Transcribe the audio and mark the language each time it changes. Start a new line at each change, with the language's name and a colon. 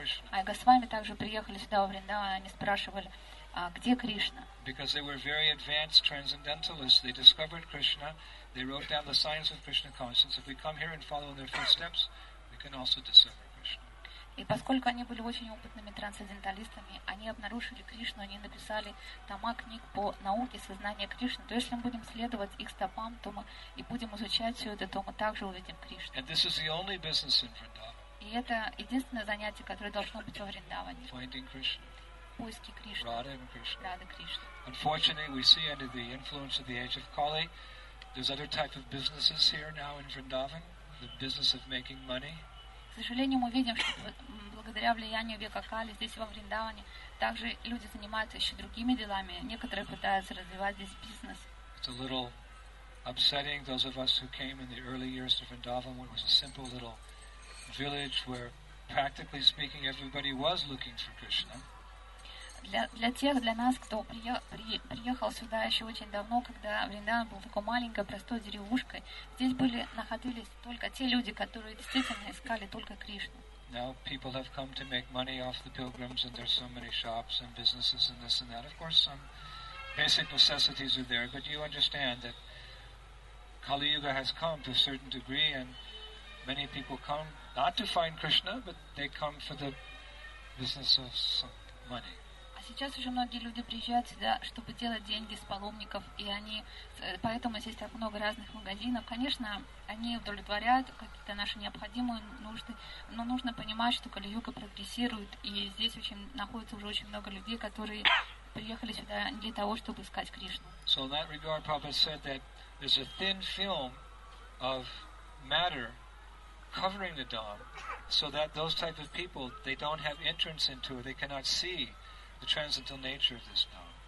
Russian: А Госвами также приехали сюда во Вриндаван, они спрашивали, где Кришна?
English: Because they were very advanced transcendentalists, they discovered Krishna, they wrote down the science of Krishna consciousness. If we come here and follow in their footsteps, we can also discover.
Russian: И поскольку они были очень опытными трансценденталистами, они обнаружили Кришну, они написали тома книг по науке сознания Кришны. То есть, если мы будем следовать их стопам, то мы и будем изучать все это, то мы также увидим Кришну. И это единственное занятие, которое должно быть во Вриндаване. Поиски Кришны.
English: Radha Krishna. Unfortunately, we see under the influence of the age of Kali, there's other type of businesses here now in Vrindavan, the business of making money.
Russian: К сожалению, мы видим, что благодаря влиянию века Кали здесь во Вриндаване также люди занимаются еще другими делами. Некоторые пытаются развивать здесь бизнес.
English: It's a little upsetting those of us who came in the early years to Vrindavan, when it was a simple little village where, practically speaking, everybody was looking for Krishna.
Russian: Для нас, кто приехал сюда еще очень давно, когда Вриндаван был такой маленькой, простой деревушкой, здесь находились только те люди, которые действительно искали только Кришну.
English: Now people have come to make money off the pilgrims, and there's so many shops and businesses and this and that. Of course, some basic necessities are there, but you understand that Kali Yuga has come to a certain degree, and many people come not to find Krishna, but they come for the business of some money.
Russian: Сейчас уже многие люди приезжают сюда, чтобы делать деньги с паломников, и они поэтому здесь так много разных магазинов. Конечно, они удовлетворяют какие-то наши необходимые нужды, но нужно понимать, что Кали-Юга прогрессирует, и здесь очень находится уже очень много людей, которые приехали сюда для того, чтобы искать Кришну.
English: So in that regard, Prabhupada said that there's a thin film of matter covering the dome so that those type of people, they don't have entrance into it, they cannot see the transcendental nature of this dome.